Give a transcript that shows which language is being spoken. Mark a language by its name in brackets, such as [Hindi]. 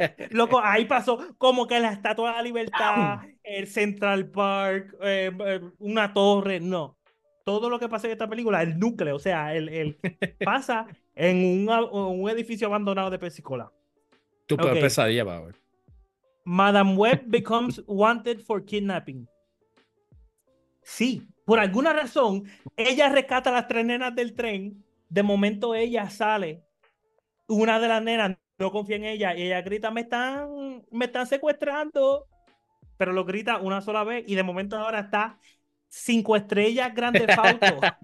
[Spanish] Loco, ahí pasó como que la Estatua de la Libertad, el Central Park, una torre, no. Todo lo que pasa en esta película, el núcleo, o sea, el pasa en un edificio abandonado de Pepsi Cola. Tu peor pesadilla, Bauer. [English] Madame Web becomes wanted for kidnapping. [Spanish] Sí, por alguna razón, ella rescata a las tres nenas del tren. De momento ella sale, una de las nenas no confía en ella y ella grita, me están secuestrando. Pero lo grita una sola vez y de momento ahora está... 5 estrellas, grandes autos.